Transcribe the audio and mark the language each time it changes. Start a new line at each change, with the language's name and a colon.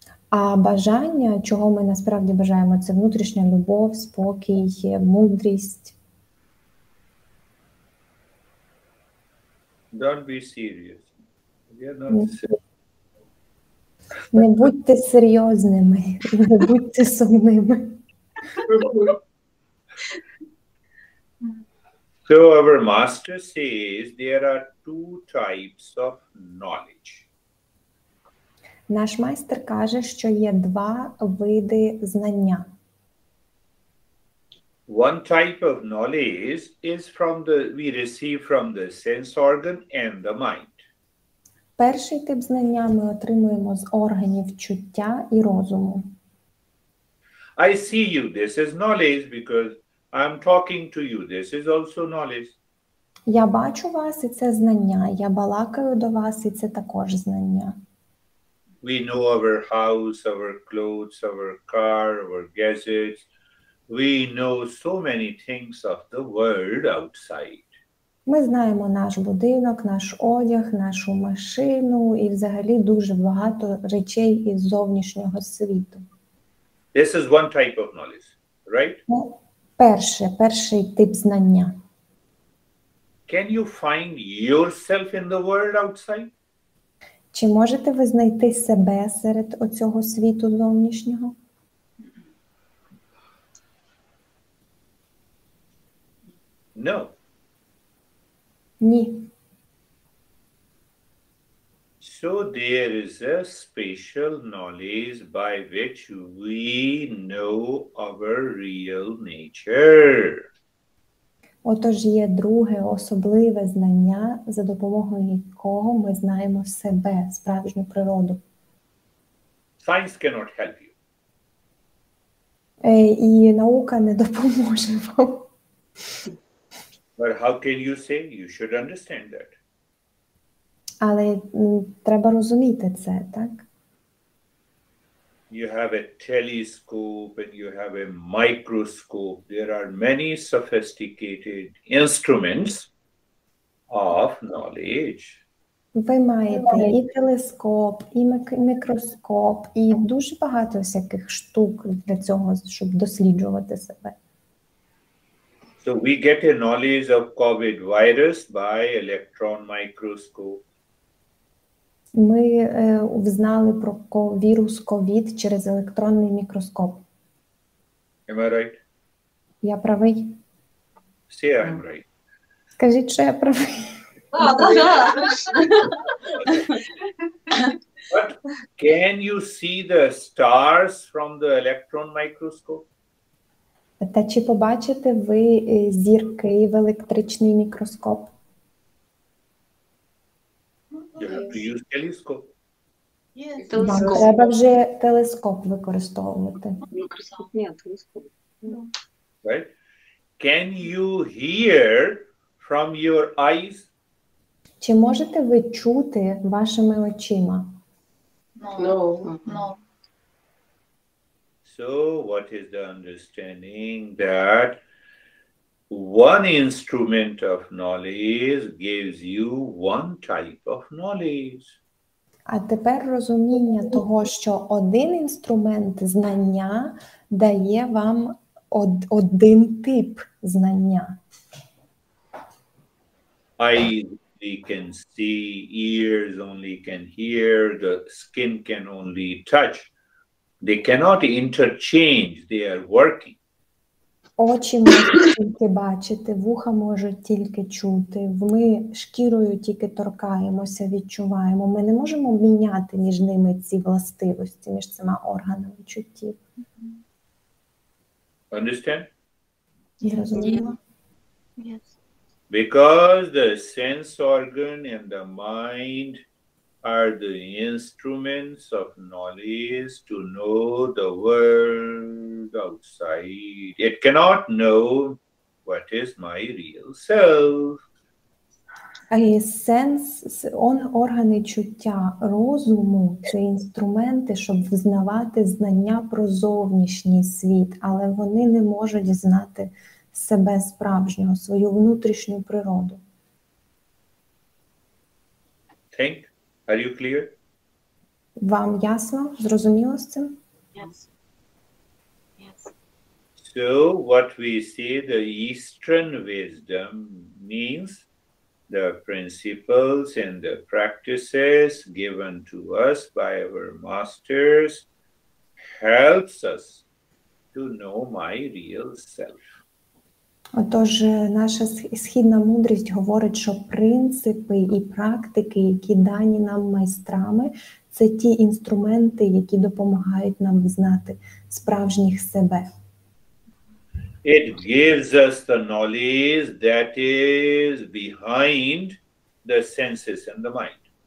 Ukrainian: А бажання, чого ми насправді бажаємо, це внутрішня любов, спокій, мудрість.
English: Don't be serious.
Ukrainian: Не будьте серйозними, не будьте сумними.
English: So our master says there are two types of knowledge.
Ukrainian: Наш майстер каже, що є два види знання.
English: One type of knowledge is from the we receive from the sense organ and the mind.
Ukrainian: Перший тип знання ми отримуємо з органів чуття і розуму.
English: I see you. This is knowledge because I'm talking to you. This is also knowledge.
Ukrainian: Я бачу вас, і це знання. Я балакаю до вас, і це також знання.
English: We know our house, our clothes, our car, our gadgets. We know so many things of the world outside.
Ukrainian: Ми знаємо наш будинок, наш одяг, нашу машину і взагалі дуже багато речей із зовнішнього світу.
English: This is one type of knowledge, right?
Ukrainian: Перший тип знання.
English: Can you find yourself in the world outside?
Ukrainian: Чи можете ви знайти себе серед оцього світу зовнішнього?
English: No.
Ukrainian: Ні.
English: So there is a special knowledge by which we know our real nature.
Ukrainian: Отож, є друге особливе знання, за допомогою якого ми знаємо себе, справжню природу.
English: Science cannot help you.
Ukrainian: І наука не допоможе вам.
English: But how can you say? You should understand that.
Ukrainian: Але треба розуміти це, так?
English: You have a telescope and you have a microscope. There are many sophisticated instruments of knowledge.
Ukrainian: Ви маєте і телескоп, і мікроскоп, і дуже багато всяких штук для цього, щоб досліджувати себе.
English: So we get a knowledge of COVID virus by electron microscope.
Ukrainian: Ми взнали про вірус COVID через електронний мікроскоп.
English: Am I right?
Ukrainian: Я правий?
English: Say I'm yeah. right.
Ukrainian: Скажіть, що я правий. But can you see the stars from the electron microscope? Та чи побачите ви зірки в електричний мікроскоп? Телескоп.
English: Yes.
Ukrainian: Треба вже телескоп використовувати. Мікроскоп, ні, телескоп.
English: Can you hear from your eyes?
Ukrainian: Чи можете ви чути вашими очима?
English: No. So, what is the understanding that one instrument of knowledge gives you one type of knowledge.
Ukrainian: А тепер розуміння того, що один інструмент знання дає вам один тип знання.
English: Eyes only can see, ears only can hear, the skin can only touch. They cannot interchange, they are working.
Ukrainian: Очі можуть тільки бачити, вуха можуть тільки чути, ми шкірою тільки торкаємося, відчуваємо. Ми не можемо міняти між ними ці властивості, між цими органами чуттів.
English: Understand? Yes. Because the sense organ and the mind are the instruments of knowledge to know the world outside. It cannot know what is my real self.
Ukrainian: І сенс, органи чуття, розуму – це інструменти, щоб взнавати знання про зовнішній світ, але вони не можуть знати себе справжнього, свою внутрішню природу.
English: Think? Are you clear?
Ukrainian: Вам ясно? Зрозуміло з цим?
English: Yes. So, what we see, the Eastern wisdom means the principles and the practices given to us by our masters helps us to know my real self.
Ukrainian: Отож, наша східна мудрість говорить, що принципи і практики, які дані нам майстрами, це ті інструменти, які допомагають нам знати справжніх себе.
English: It gives us the knowledge that is behind the senses and the mind.